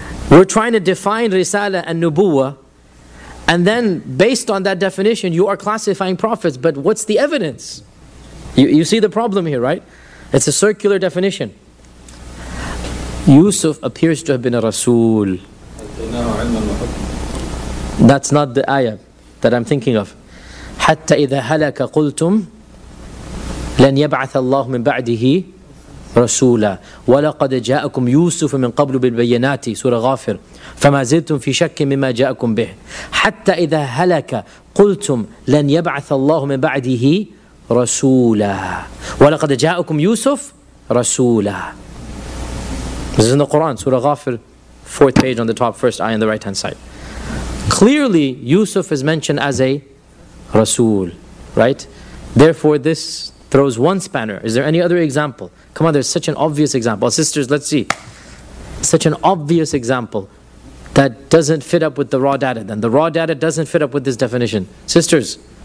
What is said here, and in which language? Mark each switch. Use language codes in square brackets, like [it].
[en] We're trying to define risala and nubuwa, and then based on that definition, you are classifying prophets. But what's the evidence? You see the problem here, right? It's a circular definition. Yusuf appears to have been a Rasul. That's not the ayah that I'm thinking of. [ar] حتى إذا هلك قلتم لن يبعث الله من بعده رسولا ولقد جاءكم يوسف من قبل بالبينات سورة غافر فما زلتم في شك مما جاءكم به حتى إذا هلك قلتم لن يبعث الله من بعده رسولا ولقد جاءكم يوسف رسولا. [en] This is in the Quran, Surah Ghafir, fourth page on the top, first eye on the right hand side. Clearly, Yusuf is mentioned as a Rasul, right? Therefore, this throws one spanner. Is there any other example? Come on, there's such an obvious example. Sisters, let's see. Such an obvious example that doesn't fit up with the raw data then. The raw data doesn't fit up with this definition. Sisters.